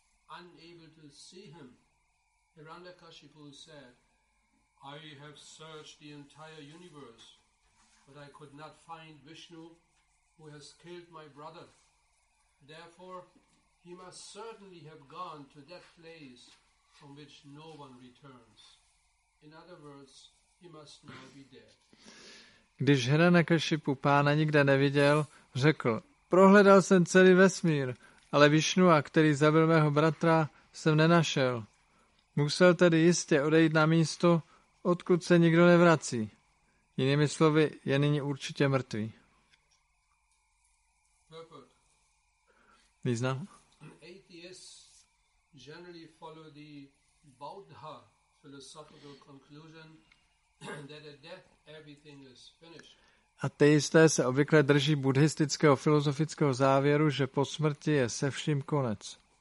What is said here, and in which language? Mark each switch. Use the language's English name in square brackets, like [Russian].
[English] Unable to see him, Hiranyakashipu said, I have searched the entire universe, but I could not find Vishnu, who has killed my brother. Therefore, he must certainly have gone to that place from which no one returns. In other words, he must now be dead. [Czech] Když Hiranyakashipu pána nikde neviděl, řekl, prohledal jsem celý vesmír, ale Vishnua, který zabil mého bratra, jsem nenašel. Musel tedy jistě odejít na místo, odkud se nikdo nevrací. Jinými slovy, je nyní určitě mrtvý. Význam? [English] Atheists generally follow the Buddha philosophical conclusion that at death everything is finished. [Czech] Ateisté se obvykle drží buddhistického filozofického závěru, že po smrti je se vším konec.